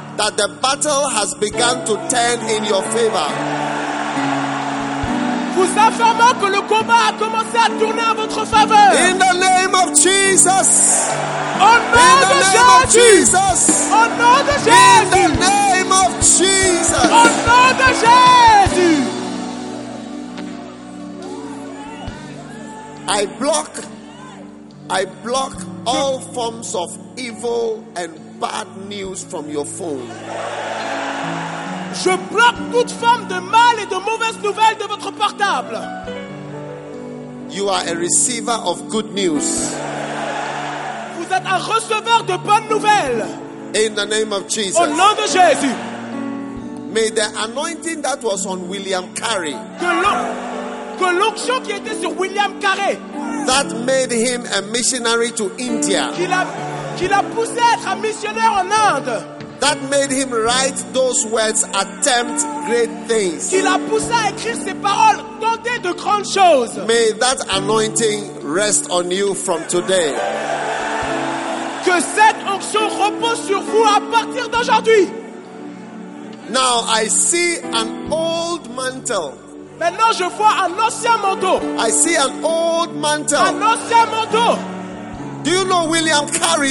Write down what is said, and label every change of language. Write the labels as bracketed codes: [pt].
[en] That the battle has begun to turn in your favor. [fr] Vous informant que le combat a commencé à tourner en votre faveur. [en] In the name of Jesus. [fr] Au nom de Jésus. [en] In the name of Jesus. [fr] Au nom de Jésus. [en] In the name of Jesus. [fr] Au nom de Jésus. [en] I block all forms of evil and bad news from your phone. [fr] Je bloque toute forme de mal et de mauvaise nouvelle de votre portable. [en] You are a receiver of good news. [fr] Vous êtes un receveur de bonnes nouvelles. [en] In the name of Jesus. [fr] Au nom de Jésus. [en] May the anointing that was on William Carey, [fr] que l'onction qui était sur William Carey, [en] that made him a missionary to India, [fr] qui l'a poussé à être un missionnaire en Inde, [en] that made him write those words, attempt great things, [fr] qui l'a poussé à écrire ces paroles, tenter de grandes choses. [en] May that anointing rest on you from today. [fr] Que cette onction repose sur vous à partir d'aujourd'hui. [en] Now I see an old mantle. [fr] Maintenant je vois un ancien manteau. [en] I see an old mantle. [fr] Un ancien manteau. [en] Do you know William Carey?